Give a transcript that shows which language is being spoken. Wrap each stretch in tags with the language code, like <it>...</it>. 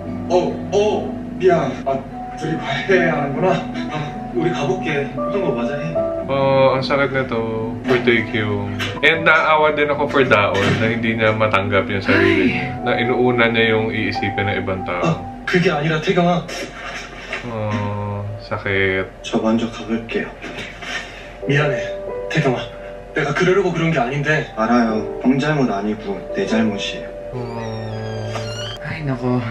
<ko>오오 미안 아 둘이 봐야 하는구나 아 우리 가볼게 어떤 거 맞아</ko> <tl>ang sakit nito for Taekyu. And naawa din ako for Daon na hindi niya matanggap yung sarili niya. Na inuuna niya yung iisipin ng ibang tao.</tl> <ko>Ah, 그게 아니라 태가 막</ko> <tl>sakit.</tl> <ko>저 먼저 가볼게요. 미안해, 태경아. 내가 그러려고 그런 게 아닌데. 알아요. 형 잘못 아니고 내 잘못이에요. 아이 나고.</ko>